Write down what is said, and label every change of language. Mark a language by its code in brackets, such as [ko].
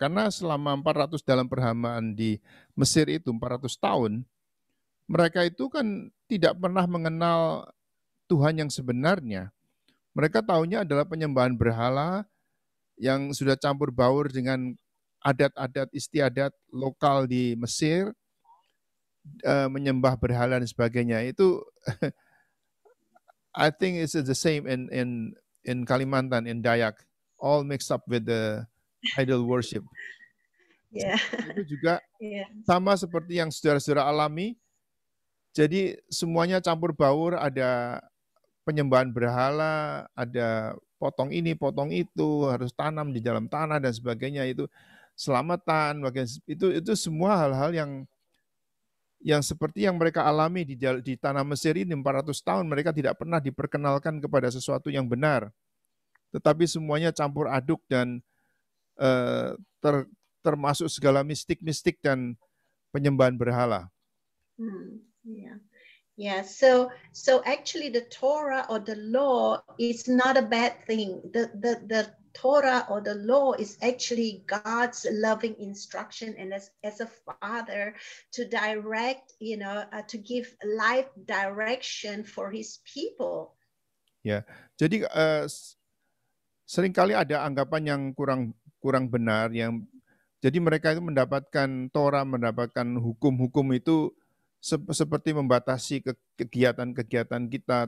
[id] Karena selama 400 dalam perhambaan di Mesir itu 400 tahun, mereka itu kan tidak pernah mengenal Tuhan yang sebenarnya. Mereka tahunya adalah penyembahan berhala yang sudah campur baur dengan adat-adat istiadat lokal di Mesir, menyembah berhala dan sebagainya. [en] Itu I think it's the same in Kalimantan, in Dayak, all mixed up with the idol worship. Yeah. [id] Itu juga sama seperti yang saudara-saudara alami. Jadi semuanya campur baur, ada penyembahan berhala, ada potong ini, potong itu, harus tanam di dalam tanah dan sebagainya, itu selamatan, itu semua hal-hal yang seperti yang mereka alami di tanah Mesir ini 400 tahun, mereka tidak pernah diperkenalkan kepada sesuatu yang benar. Tetapi semuanya campur aduk dan termasuk segala mistik-mistik dan penyembahan berhala. [en] Yeah. So actually the Torah or the law is not a bad thing. The Torah or the law is actually God's loving instruction, and as a father to direct, you know, to give life direction for His people. Yeah. [id] Jadi seringkali ada anggapan yang kurang benar, yang jadi mereka itu mendapatkan Torah, mendapatkan hukum-hukum itu seperti membatasi kegiatan-kegiatan kita.